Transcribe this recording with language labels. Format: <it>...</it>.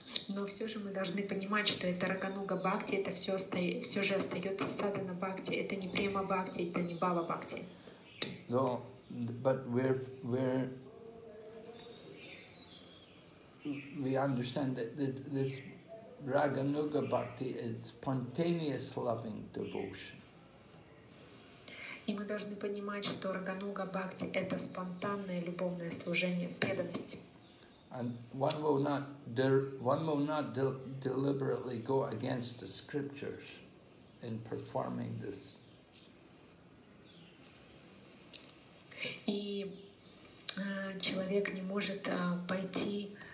<ru>Но все же мы должны понимать, что эта рагануга бхакти, это все же остается садхана бхакти. Это не према бхакти, это не бхава бхакти.</ru> <en>No, but we understand that this Raganuga Bhakti is spontaneous loving devotion.</en> <ru>И мы должны понимать, что Рагануга Бхакти — это спонтанное любовное служение, преданность.</ru> <en>And one will not deliberately go against the scriptures in performing this.</en> <ru>И человек не может пойти.</ru>